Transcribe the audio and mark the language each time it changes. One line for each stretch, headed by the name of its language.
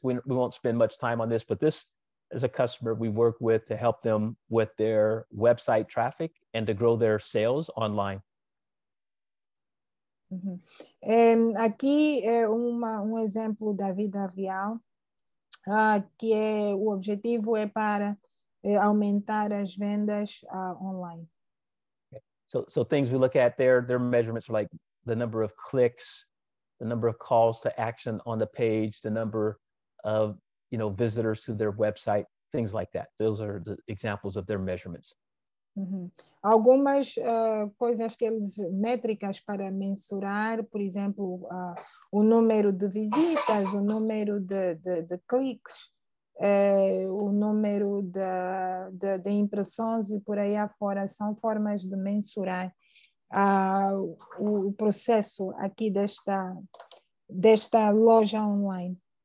English: We won't spend much time on this, but this is a customer we work with to help them with their website traffic and to grow their sales online. Uhum.
Portuguese: Aqui é um exemplo da vida real, que é, o objetivo é para aumentar as vendas online. Okay.
English: So things we look at there, their measurements are like the number of clicks, the number of calls to action on the page, the number of, you know, visitors to their website, things like that. Those are the examples of their measurements. Uhum.
Portuguese: Algumas coisas que eles, métricas para mensurar, por exemplo, o número de visitas, o número de cliques, o número de impressões e por aí afora, são formas de mensurar o processo aqui desta loja online.